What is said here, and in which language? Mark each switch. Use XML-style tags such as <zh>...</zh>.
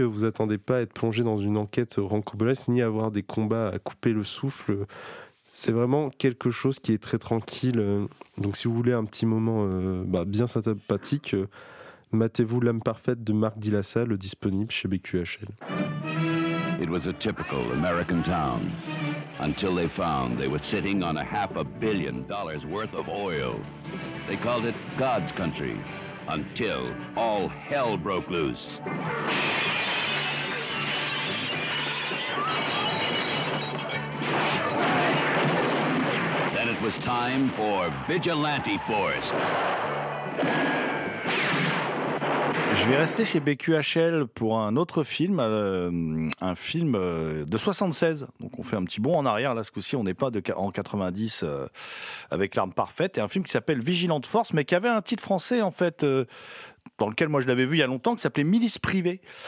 <fr>Vous attendez pas à être plongé dans une enquête rancoblesse, ni à avoir des combats à couper le souffle. C'est vraiment quelque chose qui est très tranquille. Donc si vous voulez un petit moment bien sympathique... Matez-vous L'âme parfaite de Marc Dilassalle, disponible chez BQHL.</fr> <en>It was a typical American town until they found they were sitting on $500 million worth of oil. They called it God's country until all hell broke loose. Then it was time for vigilante force.</en> <fr>Je vais rester chez BQHL pour un autre film, un film de 76. Donc on fait un petit bond en arrière, là ce coup-ci on n'est pas en 90 avec L'arme parfaite, et un film qui s'appelle Vigilante Force, mais qui avait un titre français en fait, dans lequel moi je l'avais vu il y a longtemps, qui s'appelait Milice Privée.</fr>